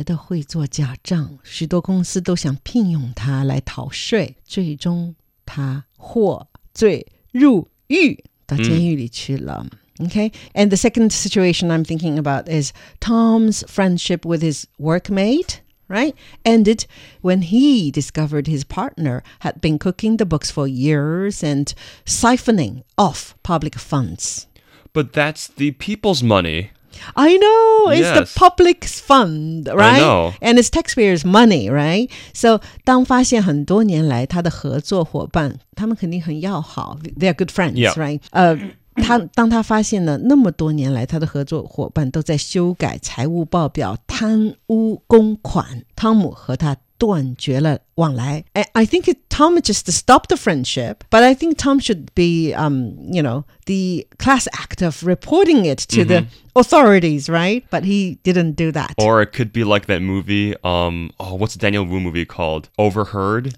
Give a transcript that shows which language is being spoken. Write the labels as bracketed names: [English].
[Chinese] 她特别的会做假账, 许多公司都想聘用她来逃税, 最终她获罪入狱。到监狱里去了。 [English] Okay, and the second situation I'm thinking about is Tom's friendship with his workmate, right? Ended when he discovered his partner had been cooking the books for years and siphoning off public funds. But that's the people's money. I know, it's the public's fund, right? I know. And it's taxpayers' money, right? So, [Chinese] 当发现很多年来他的合作伙伴，他们肯定很要好， [English] they're good friends, right? [Chinese] 当他发现了那么多年来他的合作伙伴都在修改财务报表，贪污公款，汤姆和他断绝了往来。 [English] I think Tom just stopped the friendship, but I think Tom should be, you know, the class act of reporting it to the authorities, right? But he didn't do that. Or it could be like that movie, what's the Daniel Wu movie called? Overheard?